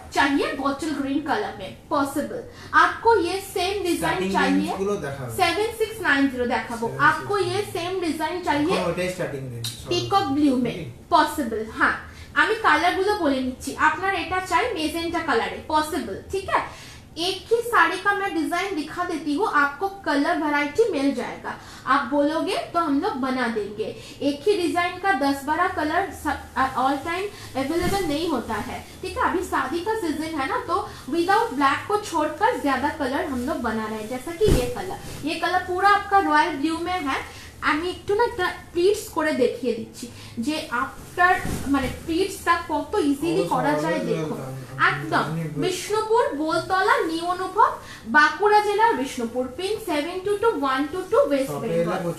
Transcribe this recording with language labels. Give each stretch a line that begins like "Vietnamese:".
Hindi: चाहिए bottle green colour में possible. आपको ये सेम डिजाइन चाहिए 7690 देखा वो, आपको ये सेम डिजाइन चाहिए पीकॉक ब्लू में पॉसिबल।
Bangla: हाँ আমি কালার গুলো বলে নিচ্ছি, আপনার এটা চাই মেজেন্টা কালারে পসিবল, ঠিক হ্যাঁ।
Hindi: एक ही साड़ी का मैं डिजाइन दिखा देती हूँ, आपको कलर वैरायटी मिल जाएगा, आप बोलोगे तो हम लोग बना देंगे। एक ही डिजाइन का 10-12 कलर ऑल टाइम अवेलेबल नहीं होता है, ठीक है। अभी शादी का सीजन है ना, तो विदाउट ब्लैक को छोड़कर ज्यादा कलर हम लोग बना रहे हैं, जैसा कि ये कलर पूरा आपका रॉयल ब्लू में है।
Bangla: আমি একটু না একটা প্লিটস করে দেখিয়ে দিচ্ছি যে আফটার মানে প্লিটসটা কত ইজিলি করা যায় দেখো, একদম বিষ্ণুপুর বোলতলা নিউ অনুভব বাঁকুড়া জেলার বিষ্ণুপুর পিন 722122 ওয়েস্ট বেঙ্গল।